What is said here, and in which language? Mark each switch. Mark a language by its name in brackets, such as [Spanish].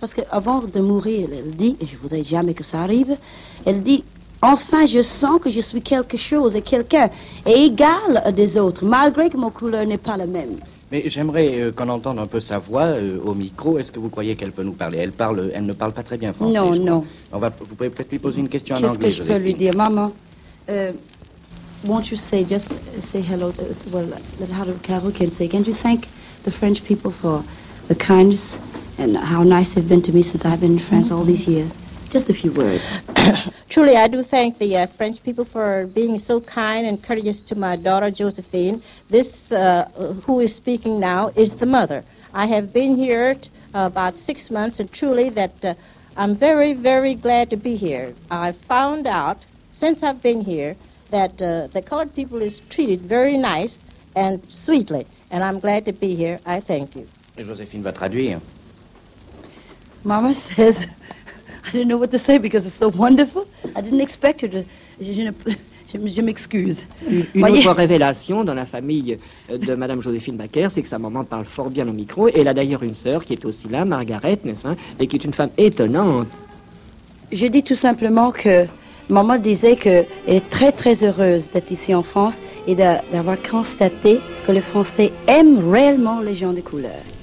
[French] Parce qu'avant de mourir, elle dit, et je ne voudrais jamais que ça arrive, elle dit, enfin je sens que je suis quelque chose et quelqu'un est égal à des autres, malgré que mon couleur n'est pas la même. Mais j'aimerais qu'on entende un peu sa voix au micro. Est-ce que vous croyez qu'elle peut nous parler? Elle ne parle pas très bien français. Non, non. Vous pouvez peut-être lui poser une question en anglais. Qu'est-ce que je peux lui dire, maman? [English] Won't you say just say hello? Well, how Carol can say, can you thank the French people for the kindness and how nice they've been to me since I've been in France all these years? Just a few words. Truly, I do thank the French people for being so kind and courteous to my daughter, Josephine. This, who is speaking now, is the mother. I have been here about 6 months, and truly that I'm very, very glad to be here. I found out, since I've been here, that the colored people is treated very nice and sweetly, and I'm glad to be here. I thank you. [French] Josephine va traduire. [English] Mama says... I didn't know what to say because it's so wonderful. I didn't expect her to... [French] Je m'excuse. Une autre révélation dans la famille de Madame Josephine Baker, c'est que sa maman parle fort bien au micro. Et elle a d'ailleurs une sœur qui est aussi là, Margaret, n'est-ce pas? Et qui est une femme étonnante. Je dis tout simplement que maman disait qu'elle est très très heureuse d'être ici en France et d'avoir constaté que les Français aiment réellement les gens de couleur.